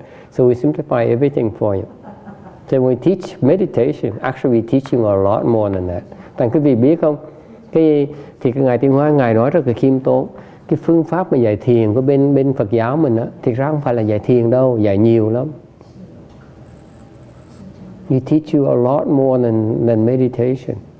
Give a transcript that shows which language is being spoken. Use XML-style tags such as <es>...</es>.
<en>So we simplify everything for you. So when we teach meditation, actually we teach you a lot more than that.</en> <vi>Thành quý vị biết không? Thì cái Ngài Tiên Hóa, Ngài nói rất là khiêm tốn. Cái phương pháp mà dạy thiền của bên Phật giáo mình á, thì ra không phải là dạy thiền đâu, dạy nhiều lắm.</vi> <en>We teach you a lot more than meditation.</en>